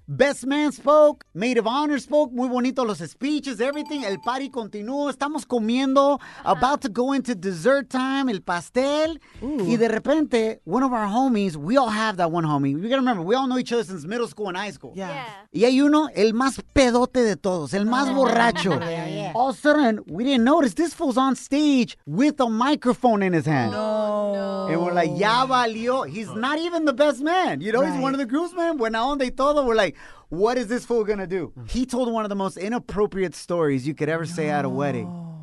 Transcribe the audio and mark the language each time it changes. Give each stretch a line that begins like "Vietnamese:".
English: Best man spoke. Maid of honor spoke.
Spanish: Muy bonito los speeches,
English: everything.
Spanish: El party continuó. Estamos comiendo.
English: Uh-huh. About to go into dessert time,
Spanish: el pastel.
English: Ooh.
Spanish: Y de repente,
English: one of our homies, we all have that one homie. You gotta remember, we all know each other since middle school and high school. Yeah.
Spanish: Y hay uno, el más pedote de todos, el más borracho.
English: Yeah. All of a sudden, we didn't notice this fool's on stage with a microphone in his hand. No. And we're like,
Spanish: ya valió.
English: He's not even the best man. You know, he's one of the groomsmen. When on they told him, we're like, what is this fool gonna do? He told one of the most inappropriate stories you could ever say at a wedding.